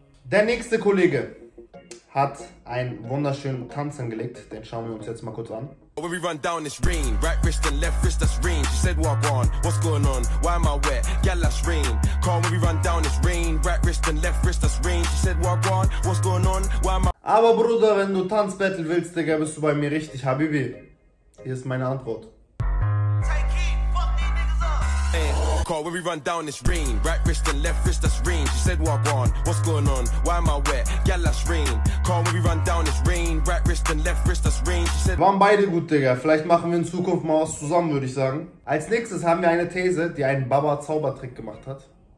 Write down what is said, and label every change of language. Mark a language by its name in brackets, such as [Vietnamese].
[German] Der nächste Kollege hat einen wunderschönen Tanz angelegt. Den schauen wir uns jetzt mal kurz an. [English] When we run down, it's rain. Right wrist and left wrist, that's rain. She said, walk on, what's going on? Why am I wet? Yeah, that's rain. Call when we run down, it's rain. Right wrist and left wrist, that's rain. She said, walk on, what's going on? Why am I... [German] Aber Bruder, wenn du Tanzbattle willst, Digga, bist du bei mir richtig, Habibi. Hier ist meine Antwort. Call when we run down, it's rain. Right wrist and left wrist, that's rain. She said, walk on, what's going on? Why am I wet? Yeah, that's rain. Call when we run down, it's rain. Right wrist and left wrist, that's rain. [English] She said, [German] waren beide gut, Digga. Vielleicht machen wir in Zukunft mal was zusammen, würde ich sagen. Als nächstes haben wir eine These, die einen Baba-Zaubertrick gemacht hat.